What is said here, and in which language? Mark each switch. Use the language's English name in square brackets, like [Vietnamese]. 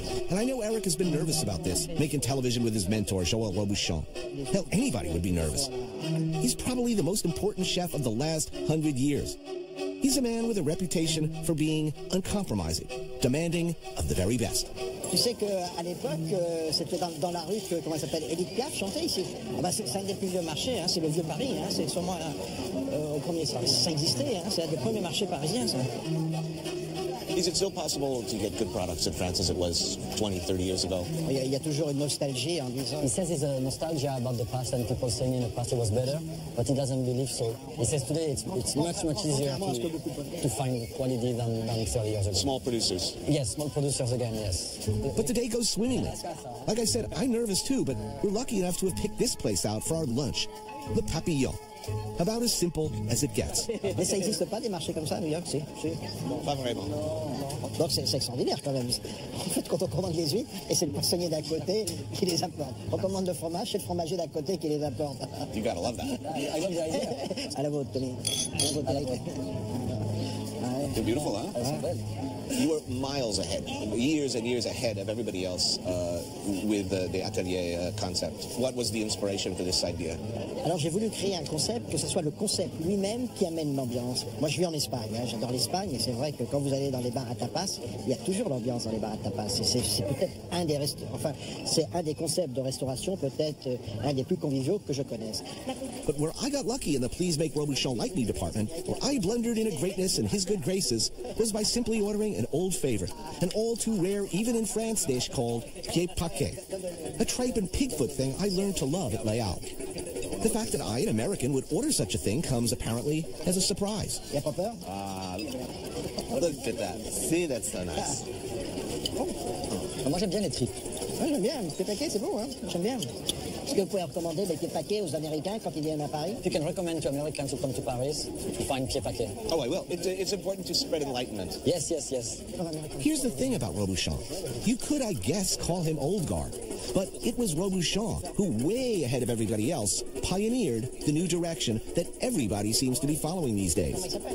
[English] And I know Eric has been nervous about this, making television with his mentor, Joël Robuchon. Hell, anybody would be nervous. He's probably the most important chef of the last 100 years. He's a man with a reputation for being uncompromising, demanding of the very best. [French] Tu sais qu'à l'époque, c'était dans la rue que, comment ça s'appelle, Edith Piaf chantait ici. Ah bah c'est un des plus vieux marchés, hein, c'est le vieux Paris, hein, c'est sûrement au premier siècle. Ça existait, hein, c'est un des premiers marchés parisiens, ça. [English] Is it still possible to get good products in France as it was 20, 30 years ago? [French] Il y a toujours une nostalgie en disant... [English] He says it's a nostalgia about the past and people saying in the past it was better, but he doesn't believe so. He says today it's much, much easier to find quality than 30 years ago. Small producers. Yes, small producers again, yes. But today goes swimmingly. Like I said, I'm nervous too, but we're lucky enough to have picked this place out for our lunch, Le Papillon. About as simple as it gets. [French] Mais ça n'existe pas des marchés comme ça à New York, si. Pas vraiment. Donc c'est extraordinaire quand même. En fait, quand on commande les huîtres, et c'est le poissonnier d'à côté qui les apporte. On commande le fromage, c'est le fromager d'à côté qui les apporte. [English] You gotta love that. I love the idea. [French] À la vôtre, Tony. À la vôtre. [English] They're beautiful, [French] hein? Elles sont belles. [English] You are miles ahead, years and years ahead of everybody else with the atelier concept. What was the inspiration for this idea? [French] Alors j'ai voulu créer un concept, que ce soit le concept lui-même qui amène l'ambiance. Moi je vis en Espagne, hein, j'adore l'Espagne, et c'est vrai que quand vous allez dans les bars à tapas, il y a toujours l'ambiance dans les bars à tapas. Et c'est peut-être un des c'est un des concepts de restauration, peut-être un des plus conviviaux que je connaisse. [English] But where I got lucky in the Please Make Robuchon Like Me department, where I blundered in a greatness and his good grace. faces was by simply ordering an old favorite, an all-too-rare, even in France, dish called pied paquet, a tripe and pigfoot thing I learned to love at Layal. The fact that I, an American, would order such a thing comes apparently as a surprise. [French] Y'a pas peur? [English] Look at that. See, that's so nice. [French] Oh. Moi, j'aime bien les tripes. Oui, j'aime bien. Pied paquet, c'est beau, hein? J'aime bien. Est-ce que vous pouvez recommander des pieds paquets aux Américains quand ils viennent à Paris? [English] You can recommend to Americans who come to Paris to find pieds paquets. Oh, I will. It's important to spread enlightenment. Yes, yes, yes. Here's the thing about Robuchon. You could, I guess, call him old guard. But it was Robuchon who, way ahead of everybody else, pioneered the new direction that everybody seems to be following these days.